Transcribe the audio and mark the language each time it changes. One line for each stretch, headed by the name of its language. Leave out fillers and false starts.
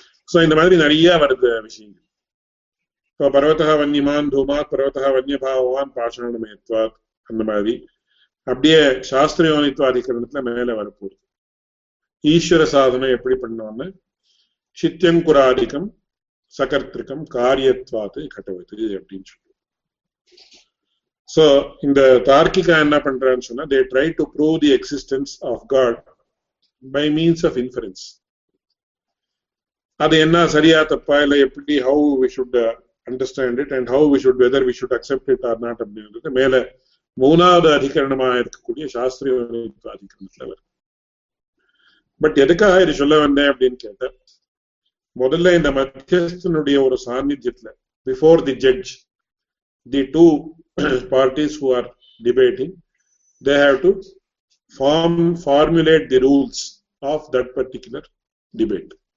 Tamil: So இந்த மாதிரி நிறைய வருது விஷயங்கள். இப்போ பர்வதா வன்யமான் தூமா பர்வதா வன்யபாவான் பாஷாணமயத்வா அந்த மாதிரி அப்படியே சாஸ்திரயோனித்வாதிகரணத்துல மேலே வரப்போகுது. ஈஸ்வர சாதனை எப்படி பண்ணோம்னா சித்தியங்குராதிக்கம் சகர்த்திருக்கம் காரியத்வாத்து கட்டவது அப்படின்னு சொல்லுவோம்.
English: So in the Tarkika and Apandranshana, they try to prove the existence of God by means of inference.
Tamil: அது என்ன சரியா தப்பா இல்ல எப்படி how we should understand it and how we should whether we should accept it or not அப்படின்றது மேல மூணாவது அதிகரணமா இருக்கக்கூடிய சாஸ்திரிய அதிகரணத்துல வரும். பட் எதுக்காக இது சொல்ல வந்தேன் அப்படின்னு கேட்ட, முதல்ல இந்த மத்தியஸ்தனுடைய ஒரு சாநித்தியத்துல
English: Before the judge the two parties who are debating they have to formulate the rules of that particular debate.